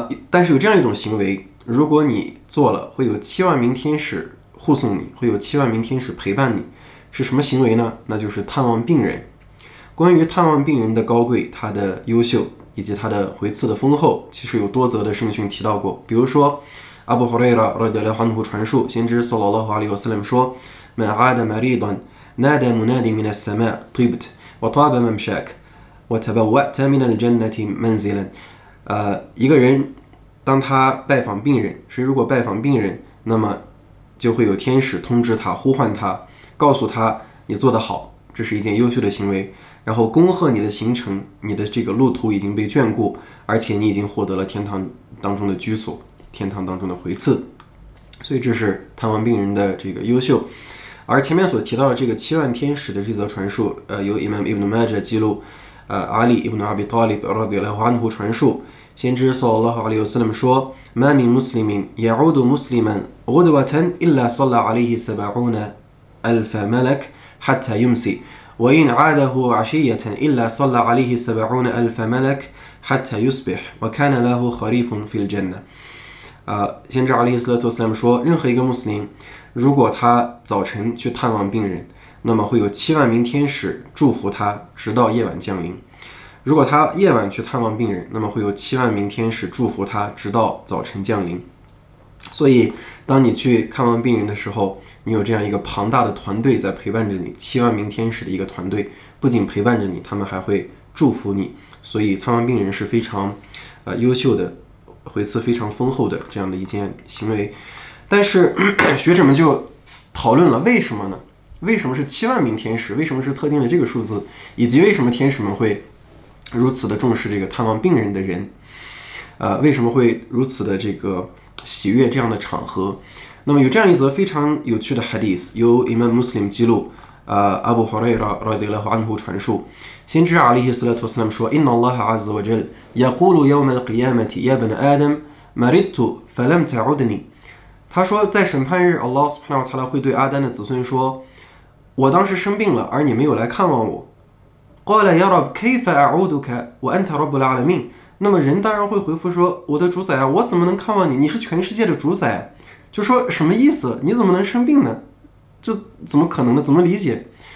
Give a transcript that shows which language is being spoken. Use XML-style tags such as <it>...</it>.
<zh>但是有这样一种行为，如果你做了，会有70000名天使护送你，会有70000名天使陪伴你，是什么行为呢？那就是探望病人。关于探望病人的高贵、他的优秀以及他的回赐的丰厚，其实有多则的圣训提到过。比如说 Abu Huraira radiallahu anhu 传述先知 sallallahu alaihi wasallam 说</zh> <ar>من عاد مريضا نادى منادي من السماء طيبت وطاب ممشاك وتبوأت من الجنة منزلا。</ar> <zh>一个人当他拜访病人，是如果拜访病人，那么就会有天使通知他，呼唤他，告诉他你做得好，这是一件优秀的行为，然后恭贺你的行程，你的这个路途已经被眷顾，而且你已经获得了天堂当中的居所，天堂当中的回赐。所以这是探望病人的这个优秀。而前面所提到的这个70000天使的这则传述，由 Imam Ibn Majah 记录，Ali Ibn Abi Talib radiyallahu anhu 传述，先知 sallallahu alayhi wa sallam 说</zh> <ar>مَا مِن مُسْلِمٍ يَعُودُ مُسْلِمًا غُدْوَةً إِلَّا صَلَّ عَلَيْهِ 70000 ملك حَتَّى يُمْسِي وَإِنْ عَادَهُ عَشِيَّةً إِلَّا صَلَّ عَلَيْهِ 70000 ملك حَتَّى يُصْبِحْ وَكَانَ لَهُ خَرِيفٌ فِي الْجَنَّةِ。</ar> <zh>先知阿里斯勒托斯说，任何一个穆斯林如果他早晨去探望病人，那么会有70000天使祝福他直到夜晚降临。如果他夜晚去探望病人，那么会有70000天使祝福他直到早晨降临。所以当你去看望病人的时候，你有这样一个庞大的团队在陪伴着你，70000天使的一个团队不仅陪伴着你，他们还会祝福你。所以探望病人是非常优秀的，回赐非常丰厚的这样的一件行为。但是学者们就讨论了，为什么呢？为什么是70000天使？为什么是特定的这个数字？以及为什么天使们会如此的重视这个探望病人的人？为什么会如此的这个喜悦这样的场合？那么有这样一则非常有趣的 hadith， 由 Imam Muslim 记录，Abu Huraira radiyallahu anhu 传述，先知</zh> <ar>عليه الصلاة والسلام 说 إن الله عز وجل يقول يوم القيامة يا ابن آدم مرضت فلم تعدني。</ar> <zh>他说在审判日 Allah subhanahu wa ta'ala 会对阿丹的子孙说，我当时生病了，而你没有来看望我。</zh> <ar>قال يا رب كيف أعودك وأنت رب العالمين。</ar> <zh>那么人当然会回复说，我的主宰啊，我怎么能看望你，你是全世界的主宰。就说什么意思，你怎么能生病呢？这怎么可能呢？怎么理解？</zh>